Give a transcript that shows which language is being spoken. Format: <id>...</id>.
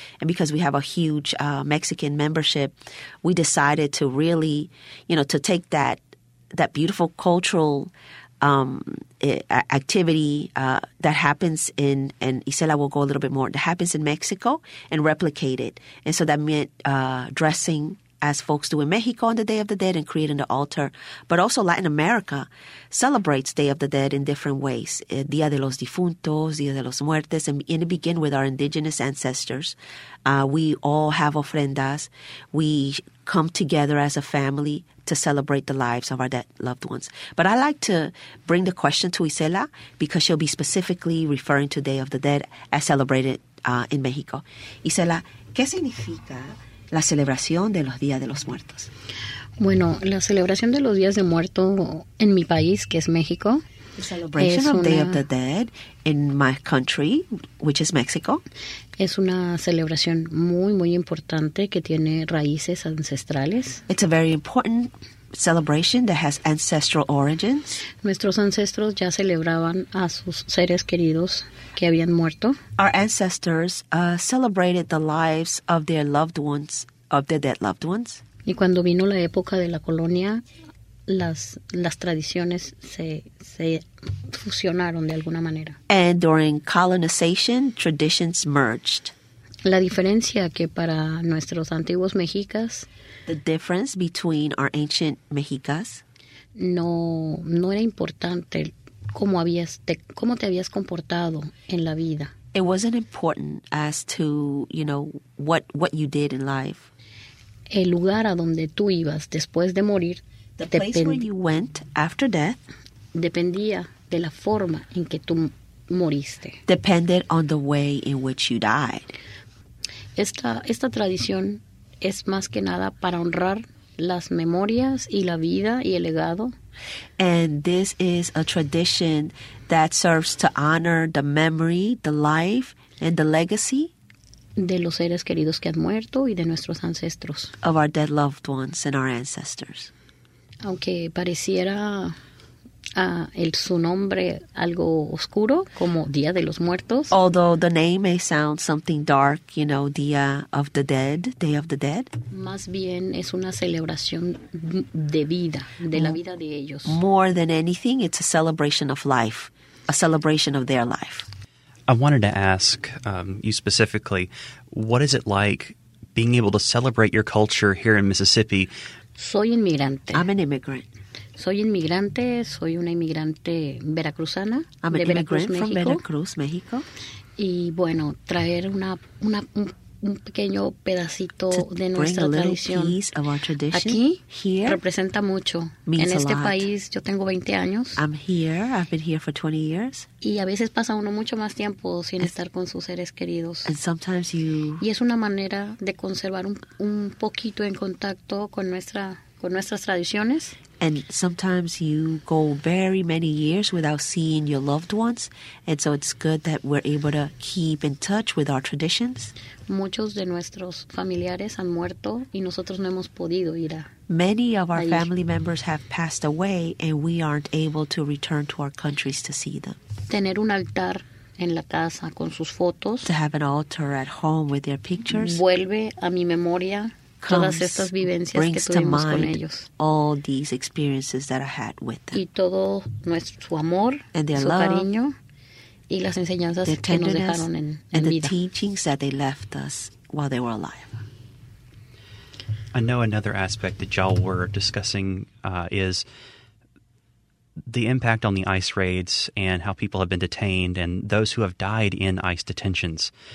<en>And because we have a huge Mexican membership, we decided to really, you know, to take that beautiful cultural activity that happens in, and Isela will go a little bit more, that happens in Mexico, and replicate it. And so that meant dressing as folks do in Mexico on the Day of the Dead and creating the altar. But also Latin America celebrates Day of the Dead in different ways.</en> <es>Dia de los Difuntos, Dia de los Muertos.</es> <en>And in the begin with our indigenous ancestors. We all have ofrendas. We come together as a family to celebrate the lives of our dead loved ones. But I like to bring the question to Isela because she'll be specifically referring to Day of the Dead as celebrated in Mexico.</en> <es>Isela, ¿qué significa la celebración de los Días de los Muertos? Bueno, la celebración de los Días de Muertos en mi país, que es México.</es> <en>The celebration of Day of the Dead in my country, which is Mexico.</en> <es>Es una celebración muy, muy importante que tiene raíces ancestrales.</es> <en>It's a very important celebration that has ancestral origins.</en> <es>Nuestros ancestros ya celebraban a sus seres queridos que habían muerto.</es> <en>Our ancestors celebrated the lives of their loved ones, of their dead loved ones.</en> <es>Y cuando vino la época de la colonia, las tradiciones se fusionaron de alguna manera.</es> <en>And during colonization, traditions merged.</en> <es>La diferencia que para nuestros antiguos mexicas,</es> <en>the difference between our ancient mexicas,</en> <es>no era importante cómo te habías comportado en la vida.</es> <en>It wasn't important as to, you know, what you did in life.</en> <es>El lugar a donde tú ibas después de morir,</es> <en>the place where you went after death,</en> <es>dependía de la forma en que tú moriste.</es> <en>Depended on the way in which you died.</en> <es>Esta tradición es más que nada para honrar las memorias y la vida y el legado.</es> <en>And this is a tradition that serves to honor the memory, the life, and the legacy</en> <es>de los seres queridos que han muerto y de nuestros ancestros.</es> <en>Of our dead loved ones and our ancestors.</en> <es>Aunque pareciera su nombre algo oscuro, como Día de los Muertos.</es> <en>Although the name may sound something dark, you know, Día of the Dead, Day of the Dead.</en> <es>Más bien es una celebración de vida, de la vida de ellos.</es> <en>More than anything, it's a celebration of life, a celebration of their life. I wanted to ask you specifically, what is it like being able to celebrate your culture here in Mississippi?</en> <es>Soy inmigrante.</es> <en>I'm an immigrant.</en> <es>Soy inmigrante, soy una inmigrante veracruzana.</es> <en>I'm an immigrant from Veracruz, Mexico.</en> <es>Y bueno, traer un pequeño pedacito de nuestra tradición aquí</es> <en>here</en> <es>representa mucho. En este país yo tengo 20 años.</es> <en>I'm here, I've been here for 20 years.</en> <es>Y a veces pasa uno mucho más tiempo sin estar con sus seres queridos.</es> <en>And sometimes you,</en> <es>y es una manera de conservar un poquito en contacto con nuestras tradiciones.</es> <en>And sometimes you go very many years without seeing your loved ones. And so it's good that we're able to keep in touch with our traditions.</en> <es>Muchos de nuestros familiares han muerto y nosotros no hemos podido ir a...</es> <en>Many of our family members have passed away and we aren't able to return to our countries to see them.</en> <es>Tener un altar en la casa con sus fotos.</es> <en>To have an altar at home with their pictures.</en> <es>Vuelve a mi memoria. Todas estas vivencias que tuvimos con ellos.</es> <en>All these experiences that I had with them.</en> <es>Y todo nuestro su amor,</es> <en>and their</en> <es>su</es> <en>love,</en> <es>cariño, y las enseñanzas que nos dejaron en vida.</es> <en>And the teachings that they left us while they were alive. I know another aspect that y'all were discussing is the impact on the ICE raids and how people have been detained and those who have died in ICE detentions.</en>